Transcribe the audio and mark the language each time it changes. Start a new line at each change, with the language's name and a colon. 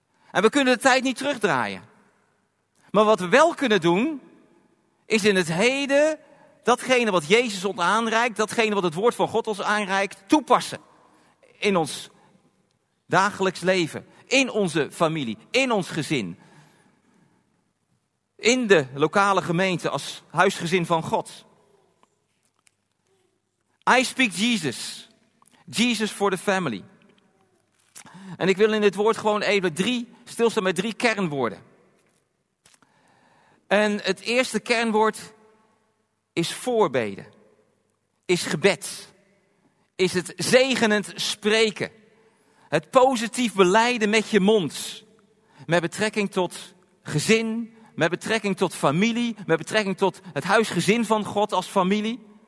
Dutch: En we kunnen de tijd niet terugdraaien. Maar wat we wel kunnen doen, is in het heden datgene wat Jezus ons aanreikt, datgene wat het woord van God ons aanreikt, toepassen. In ons dagelijks leven. In onze familie. In ons gezin. In de lokale gemeente als huisgezin van God.
English: I speak Jesus. Jesus for the family.
Dutch: En ik wil in dit woord gewoon even stilstaan met drie kernwoorden. En het eerste kernwoord is voorbeden, is gebed, is het zegenend spreken, het positief beleiden met je mond, met betrekking tot gezin, met betrekking tot familie, met betrekking tot het huisgezin van God als familie.